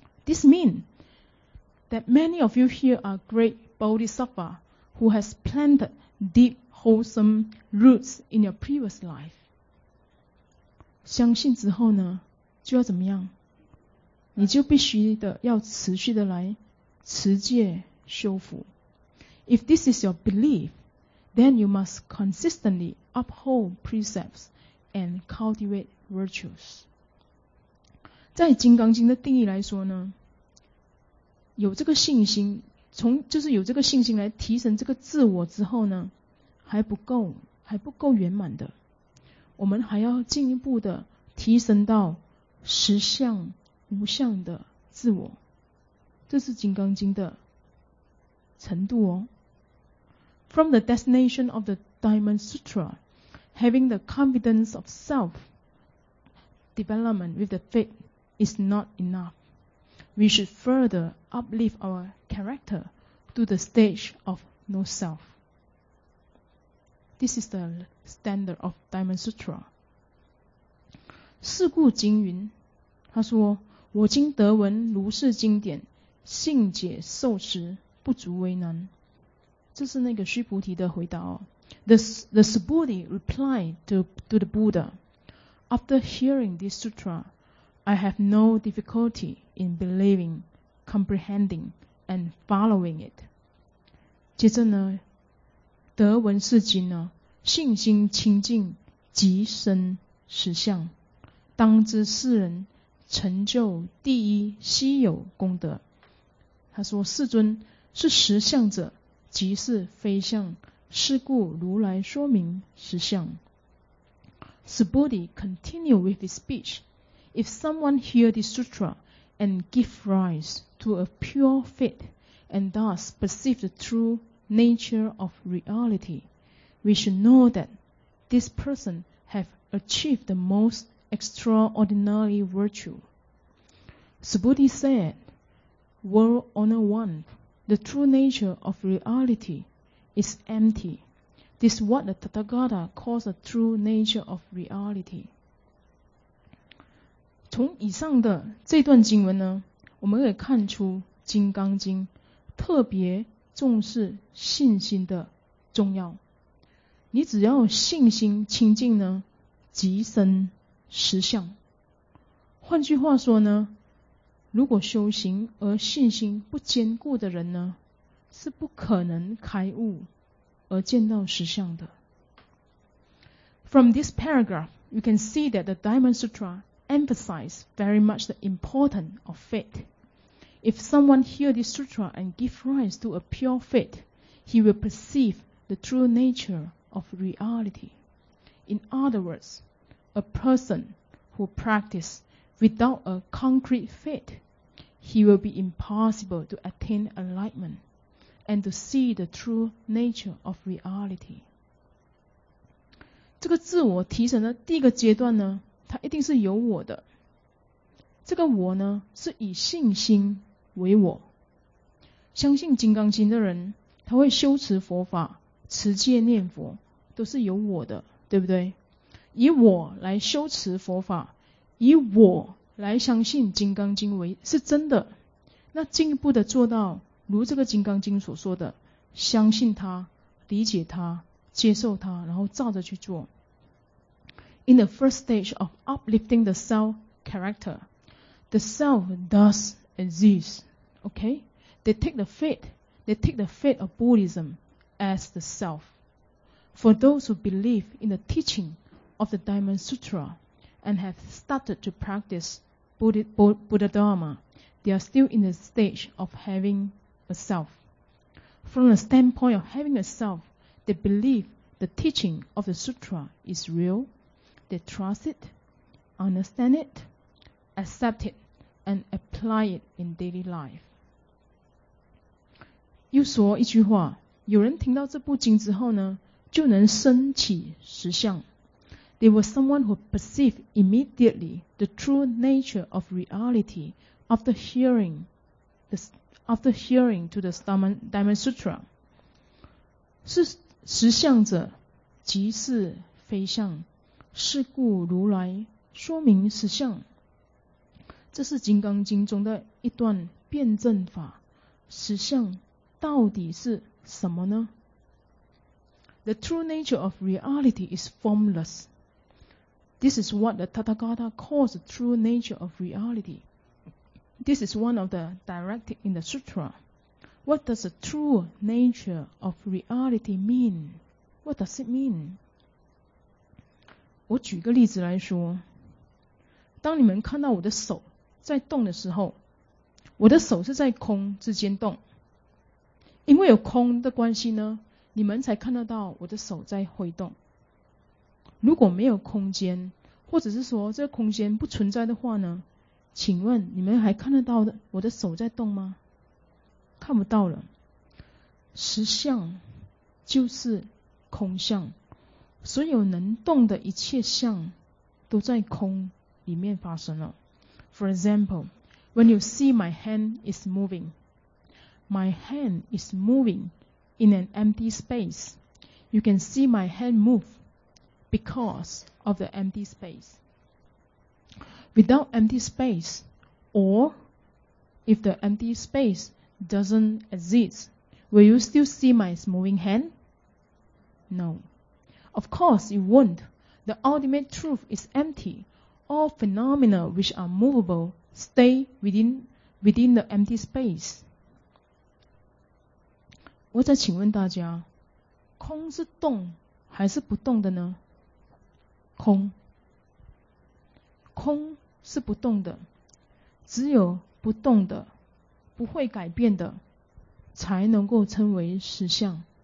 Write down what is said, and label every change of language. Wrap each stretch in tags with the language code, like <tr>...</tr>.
<en>This means that many of you here are great bodhisattva who has planted deep wholesome roots in your previous life.</en> <zh>相信之后呢，就要怎么样？你就必须的要持续的来持戒修福。</zh> <en>If this is your belief, then you must consistently uphold precepts and cultivate virtues.</en> <zh>在《金刚经》的定义来说呢，有这个信心，从就是有这个信心来提升这个自我之后呢，还不够，还不够圆满的。我们还要进一步的提升到实相无相的自我，这是《金刚经》的程度哦。</zh> <en>From the destination of the Diamond Sutra, having the confidence of self development with the faith is not enough. We should further uplift our character to the stage of no self. This is the standard of Diamond Sutra.</en> <zh>是故经云，他说，我今得闻如是经典，信解受持，不足为难。这是那个须菩提的回答哦。</zh> <en>The Subodhi replied to the Buddha, After hearing this sutra, I have no difficulty in believing, comprehending, and following it.</en> <zh>接着呢，得闻是经呢，信心清净，即生实相，当知世人成就第一稀有功德。他说，世尊是实相者，即是非相，是故如来说明实相。</zh> <en>Subodhi continued with his speech, If someone hear this sutra and give rise to a pure faith and thus perceive the true nature of reality, we should know that this person has achieved the most extraordinary virtue. Subodhi said, World Honor One,The true nature of reality is empty. This is what the Tathagata calls the true nature of reality.</en> <zh>从以上的这段经文呢，我们可以看出《金刚经》特别重视信心的重要。你只要信心清净呢，即生实相。换句话说呢，如果修行而信心不坚固的人呢，是不可能开悟而见到实相的。</zh> <en>From this paragraph, you can see that the Diamond Sutra emphasizes very much the importance of faith. If someone hears this sutra and gives rise to a pure faith, he will perceive the true nature of reality. In other words, a person who practices without a concrete faith, he will be impossible to attain enlightenment and to see the true nature of reality.</en> <zh>这个自我提升的第一个阶段呢，它一定是有我的。这个我呢，是以信心为我。相信金刚经的人，他会修持佛法、持戒念佛，都是有我的，对不对？以我来修持佛法，以我来相信《金刚经》为是真的，那进一步的做到如这个《金刚经》所说的，相信它、理解它、接受它，然后照着去做。</zh> <en>In the first stage of uplifting the self character, the self does exist. Okay, they take the faith, of Buddhism as the self. For those who believe in the teaching of the Diamond Sutra and have started to practice. Buddha Dharma, they are still in the stage of having a self. From the standpoint of having a self, they believe the teaching of the sutra is real, they trust it, understand it, accept it, and apply it in daily life.</en> <zh>又说一句话，有人听到这部经之后呢，就能升起实相。</zh> <en>There was someone who perceived immediately the true nature of reality after hearing to the Diamond Sutra.</en> <zh>是实相者，即是非相，是故如来说明实相。这是金刚经中的一段辩证法，实相到底是什么呢？</zh> <en>The true nature of reality is formless. This is what the Tathagata calls the true nature of reality. This is one of the directives in the sutra. What does the true nature of reality mean? What does it mean?</en> <zh>我举个例子来说，当你们看到我的手在动的时候，我的手是在空之间动，因为有空的关系呢，你们才看得到我的手在挥动。如果没有空间，或者是说这个空间不存在的话呢，请问你们还看得到我的手在动吗？看不到了。实相就是空相，所有能动的一切相都在空里面发生了。</zh> <en>For example, when you see my hand is movingMy hand is moving in an empty space. You can see my hand move because of the empty space. Without empty space, or if the empty space doesn't exist, will you still see my moving hand? No. Of course, you won't. The ultimate truth is empty. All phenomena which are movable stay within the empty space.</en> <zh>我再请问大家，空是动还是不动的呢？空。空是不动的，只有不动的，不会改变的，才能够称为实相。</zh>